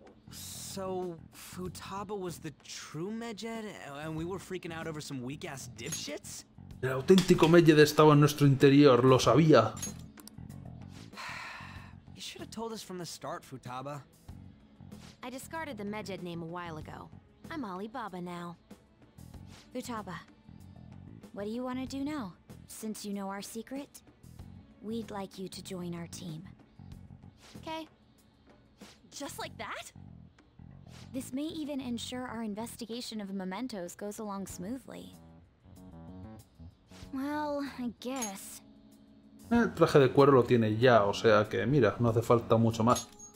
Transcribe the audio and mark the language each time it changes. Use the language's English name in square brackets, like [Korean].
[English] So Futaba was the true Medjed and we were freaking out over some weak ass dipshits? [Spanish] El auténtico Medjed estaba en nuestro interior, lo sabía. [English] You should have told us from the start, Futaba. I discarded the Medjed name a while ago. I'm Alibaba now. Futaba, what do you want to do now? Since you know our secret, we'd like you to join our team. Okay. Just like that? This may even ensure our investigation of mementos goes along smoothly. Well, I guess... [Spanish] El traje de cuero lo tiene ya, o sea que mira, no hace falta mucho más.